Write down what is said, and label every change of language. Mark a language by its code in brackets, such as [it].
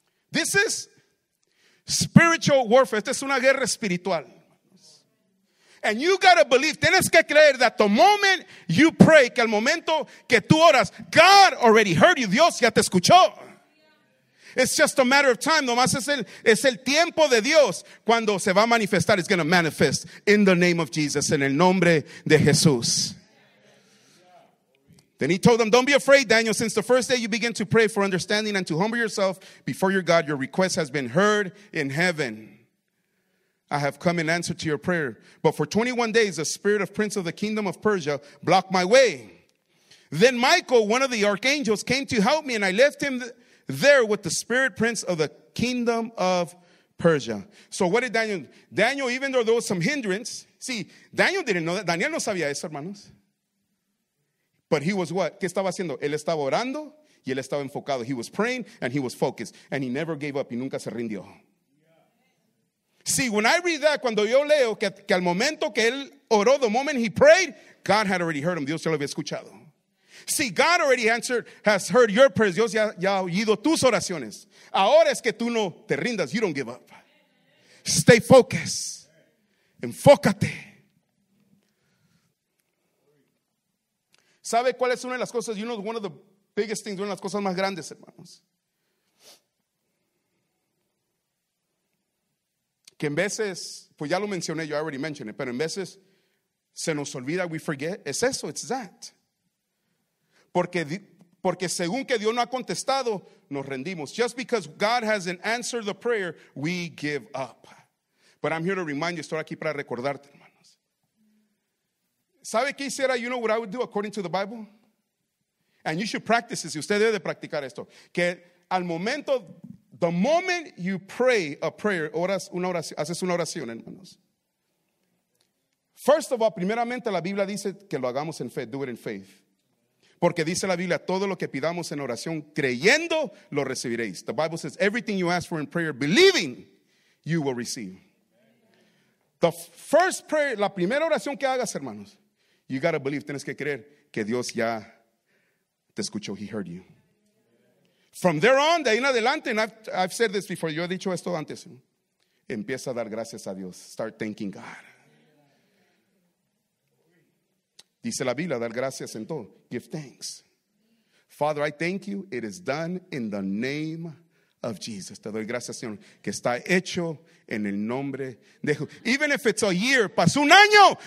[en] This is spiritual warfare. [es] Esta es una guerra espiritual. [en] And you gotta believe, [es] tienes que creer [en] that the moment you pray, [es] que al momento que tú oras, [en] God already heard you. [es] Dios ya te escuchó. [en] It's just a matter of time. [es] Nomás es el tiempo de Dios. Cuando se va a manifestar, [en] it's going to manifest in the name of Jesus, [es] en el nombre de Jesús. [en] Then he told them, don't be afraid, Daniel. Since the first day you begin to pray for understanding and to humble yourself before your God, your request has been heard in heaven. I have come in answer to your prayer. But for 21 days, the spirit of prince of the kingdom of Persia blocked my way. Then Michael, one of the archangels, came to help me, and I left him there with the spirit prince of the kingdom of Persia. So what did Daniel? Daniel, even though there was some hindrance. See, Daniel didn't know that. [es] Daniel no sabía eso, hermanos. [en] But he was what? [es] ¿Qué estaba haciendo? Él estaba orando y él estaba enfocado. [en] He was praying and he was focused. And he never gave up. [es] Y nunca se rindió. [en] See, when I read that, [es] cuando yo leo que al momento que él oró, [en] the moment he prayed, God had already heard him. [es] Dios ya lo había escuchado. [en] See, God already answered, has heard your prayers. [es] Dios ya ha oído tus oraciones. Ahora es que tú no te rindas. [en] You don't give up. Stay focused. [es] Enfócate. ¿Sabe cuál es una de las cosas? [en] You know, one of the biggest things, [es] una de las cosas más grandes, hermanos. Que en veces, pues ya lo mencioné, yo [en] already mentioned it, [es] pero en veces se nos olvida, [en] we forget. [es] Es eso, [en] it's that. [es] Porque según que Dios no ha contestado, nos rendimos. [en] Just because God hasn't answered the prayer, we give up. But I'm here to remind you, [es] estoy aquí para recordarte, hermanos. ¿Sabe qué hiciera? [en] You know what I would do according to the Bible? And you should practice this. [es] Y usted debe de practicar esto. Que al momento, [en] the moment you pray a prayer, [es] haces una oración, hermanos. [en] First of all, [es] primeramente la Biblia dice que lo hagamos en fe. [en] Do it in faith. [es] Porque dice la Biblia, todo lo que pidamos en oración, creyendo, lo recibiréis. [en] The Bible says, everything you ask for in prayer, believing, you will receive. The first prayer, [es] la primera oración que hagas, hermanos, [en] you got to believe, [es] tienes que creer que Dios ya te escuchó. [en] He heard you. From there on, [es] de ahí en adelante, [en] and I've said this before, [es] yo he dicho esto antes, empieza a dar gracias a Dios. [en] Start thanking God. [es] Dice la Biblia, dar gracias en todo. [en] Give thanks. Father, I thank you. It is done in the name of Jesus. [es] Te doy gracias, Señor, que está hecho en el nombre de Jesús. [en] Even if it's a year, [es] pasó un año.